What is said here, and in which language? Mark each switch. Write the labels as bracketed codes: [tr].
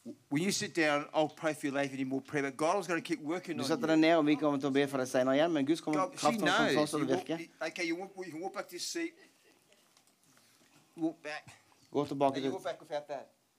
[en] When you sit down, I'll pray for your life and you will pray, but God is going to keep working on you. [no] Du setter deg ned, og vi kommer til å be for deg senere igjen, men Guds kommer kraften til å virke. [en] Okay, you walk back to your seat. Walk back. [no] Gå tilbake. [en] Now you walk back without that.